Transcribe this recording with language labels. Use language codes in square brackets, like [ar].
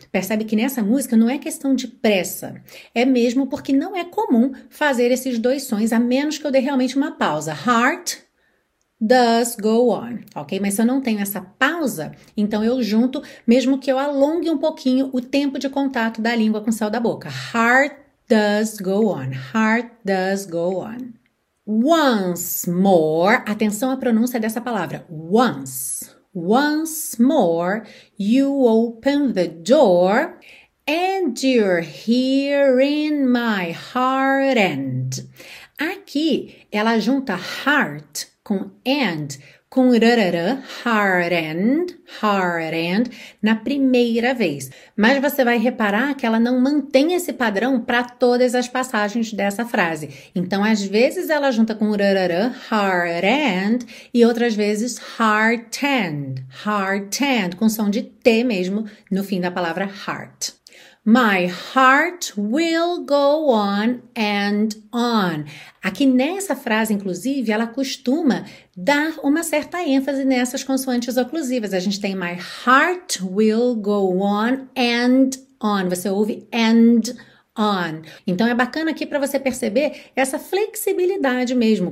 [pt] Percebe que nessa música não é questão de pressa. É mesmo porque não é comum fazer esses dois sons, a menos que eu dê realmente uma pausa. [en] Heart does go on, ok? [pt] Mas se eu não tenho essa pausa, então eu junto, mesmo que eu alongue um pouquinho o tempo de contato da língua com o céu da boca. [en] Heart does go on, heart does go on. Once more, [pt] atenção à pronúncia dessa palavra, once. [en] Once more, you open the door and you're here in my heart and. [pt] Aqui, ela junta heart com and, com rarara, heart and, na primeira vez. Mas você vai reparar que ela não mantém esse padrão para todas as passagens dessa frase. Então, às vezes ela junta com rarara, heart and, e outras vezes heart and, com som de T mesmo no fim da palavra heart. [en] My heart will go on and on. [pt] Aqui nessa frase, inclusive, ela costuma dar uma certa ênfase nessas consoantes oclusivas. A gente tem [en] my heart will go on. [pt] Você ouve and on. Então é bacana aqui para você perceber essa flexibilidade mesmo.